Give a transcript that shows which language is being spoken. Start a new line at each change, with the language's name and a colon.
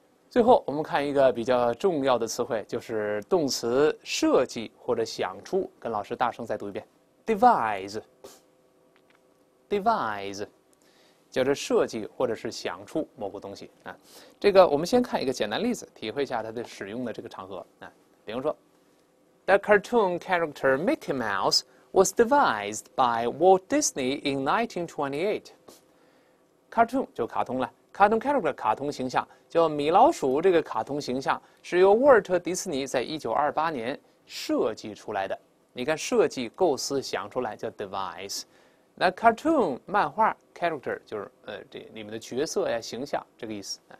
Chinese: 最后，我们看一个比较重要的词汇，就是动词设计或者想出。跟老师大声再读一遍，devise，devise，叫做设计或者是想出某个东西啊。这个我们先看一个简单例子，体会一下它的使用的这个场合啊。
English: 比如说，The cartoon character Mickey Mouse was devised by Walt Disney in 1928.
Chinese: Cartoon 就卡通了。
English: Cartoon character
Chinese: 卡通形象，叫米老鼠。这个卡通形象是由沃尔特·迪士尼在1928年设计出来的。你看，设计、构思、想出来叫 device。那 cartoon 漫画 character 就是这里面的角色呀、形象这个意思。